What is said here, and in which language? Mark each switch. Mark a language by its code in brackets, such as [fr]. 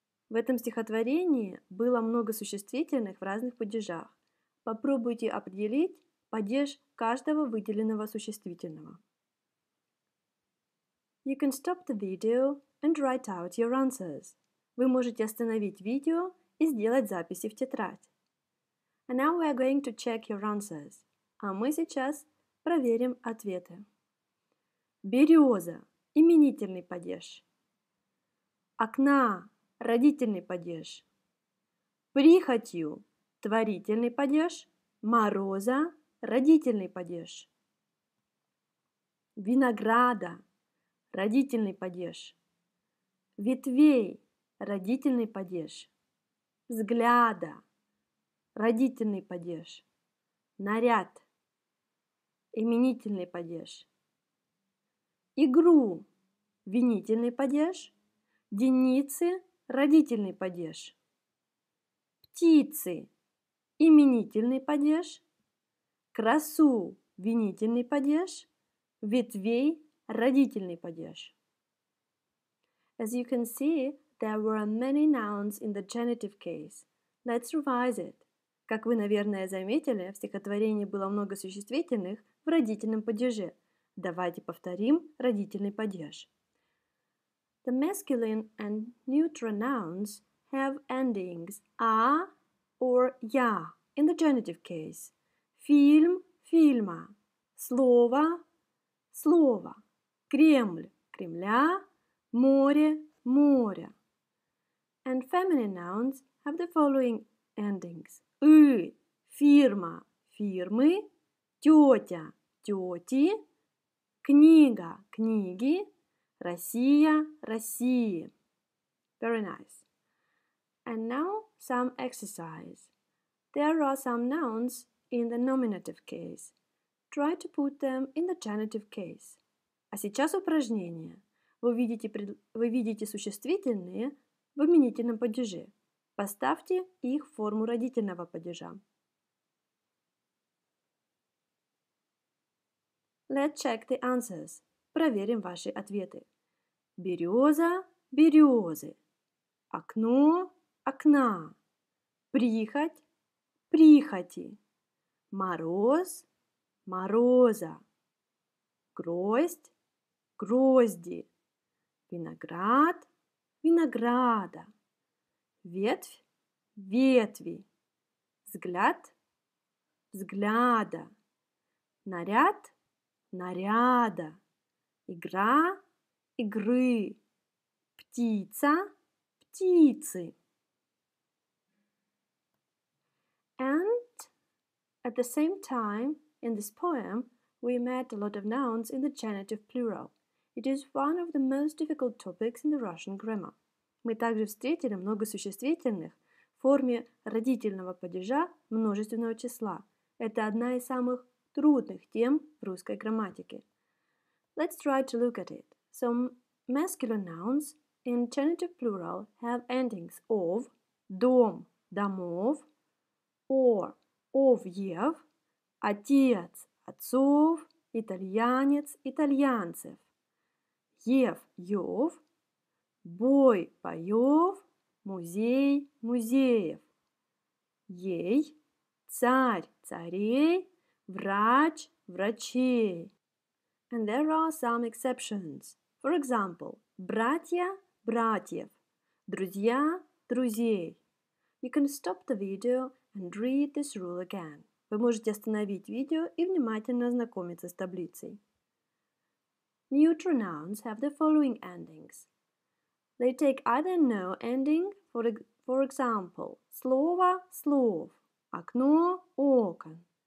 [ru] В этом стихотворении было много существительных в разных падежах. Попробуйте определить падеж каждого выделенного существительного. [en] You can stop the video and write out your answers. [ru] Вы можете остановить видео и сделать записи в тетрадь. [en] And now we are going to check your answers. [ru] А мы сейчас проверим ответы. Береза – именительный падеж. Окна – родительный падеж. Прихотью – творительный падеж. Мороза – родительный падеж. Винограда – родительный падеж. Ветвей – родительный падеж. Взгляда – родительный падеж. Наряд – именительный падеж. Игру – винительный падеж. Деницы – родительный падеж. Птицы – именительный падеж. Красу – винительный падеж. Ветвей – родительный падеж. [en] As you can see, there were many nouns in the genitive case. Let's revise it. [ru] Как вы, наверное, заметили, в стихотворении было много существительных в родительном падеже. Давайте повторим родительный падеж. [en] The masculine and neutral nouns have endings a or ya in the genitive case. [ru] Фильм – фильма. Слово – слово. Кремль – кремля. Море – моря. [en] And feminine nouns have the following endings. [ru] Ы – фирма – фирмы. Тетя – тети. Книга – книги. Россия – России. [en] Very nice. And now some exercise. There are some nouns in the nominative case. Try to put them in the genitive case. [ru] А сейчас упражнение. Вы видите существительные в именительном падеже. Поставьте их в форму родительного падежа. [en] Let's check the answers. [ru] Проверим ваши ответы. Береза – березы. Окно – окна. Прихоть – прихоти. Мороз – мороза. Гроздь – грозди. Виноград – винограда. Ветвь – ветви. Взгляд – взгляда. Наряд – наряда, игра, игры, птица, птицы. [en] And at the same time, in this poem, we met a lot of nouns in the genitive plural. It is one of the most difficult topics in the Russian grammar. [ru] Мы также встретили много существительных в форме родительного падежа множественного числа. Это одна из самых трудных тем в русской грамматике. [en] Let's try to look at it. So, masculine nouns in genitive plural have endings of [ru] дом, домов, or овьев, отец, отцов, итальянец, итальянцев, ев, ев, бой, боев, музей, музеев, ей, царь, царей, врач, врачей. [en] And there are some exceptions. For example, [ru] братья, братьев. Друзья, друзей. [en] You can stop the video and read this rule again. [ru] Вы можете остановить видео и внимательно ознакомиться с таблицей. [en] Neutral nouns have the following endings. They take either no ending, for example, [ru] слово – слов, окно – окон.